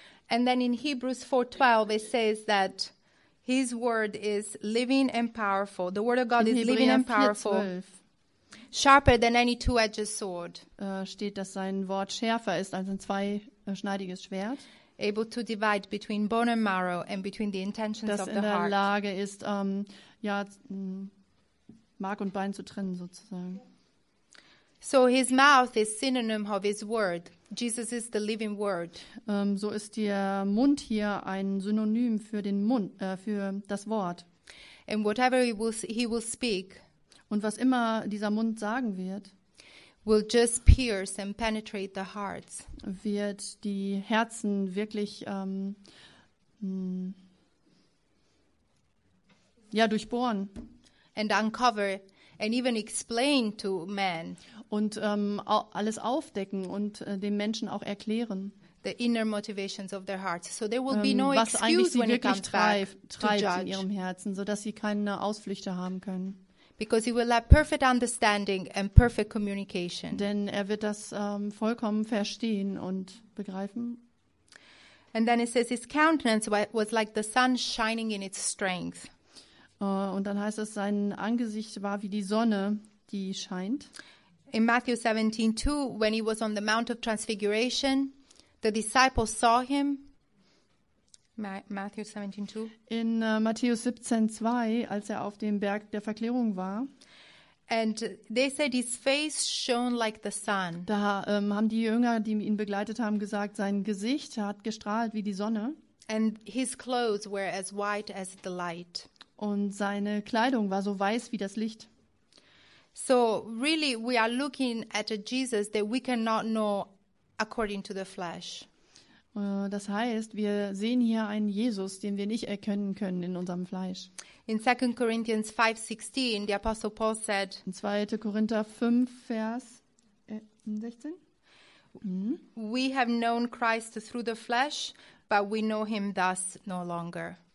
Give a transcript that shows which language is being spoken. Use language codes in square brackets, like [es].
[en] And then in Hebrews 4:12 it says that his word is living and powerful. The word of God in is living and powerful. 12. Sharper than any two-edged sword. [de] Steht, dass sein Wort schärfer ist als ein zweischneidiges Schwert. [en] Able to divide between bone and marrow and between the intentions [de] das [en] of the heart. [de] Das in der Lage ist, Mark und Bein zu trennen sozusagen. [en] So his mouth is synonym of his word. Jesus is the living word. [de] So ist der Mund hier ein Synonym für den Mund, für das Wort. [en] And whatever he will speak, [de] und was immer dieser Mund sagen wird, [en] will just pierce and penetrate the hearts. [de] Wird die Herzen wirklich durchbohren. [en] And uncover and even explain to man. [de] Und alles aufdecken und dem Menschen auch erklären. [en] The inner motivations of their hearts. So there will be no [de] was eigentlich [en] excuse [de] sie wirklich treibt in ihrem Herzen, sodass sie keine Ausflüchte haben können. [en] Because he will have perfect understanding and perfect communication. [de] Denn er wird das vollkommen verstehen und begreifen. [en] And then it says his countenance was like the sun shining in its strength. [de] Und dann heißt es, sein Angesicht war wie die Sonne, die scheint. [en] In Matthew 17:2, when he was on the Mount of Transfiguration, the disciples saw him. Matthew 17:2. [de] In Matthäus 17:2, als er auf dem Berg der Verklärung war. [en] And they said his face shone like the sun. [de] Da haben die Jünger, die ihn begleitet haben, gesagt, sein Gesicht hat gestrahlt wie die Sonne. [en] And his clothes were as white as the light. [de] Und seine Kleidung war so weiß wie das Licht. [en] So really we are looking at a Jesus that we cannot know according to the flesh. [de] Das heißt, wir sehen hier einen Jesus, den wir nicht erkennen können in unserem Fleisch. [en] In 2 Corinthians 5:16, the Apostle Paul said, [de] in 2. Korinther 5, Vers 16, [en] we have known Christ through the flesh, but we know him thus no longer.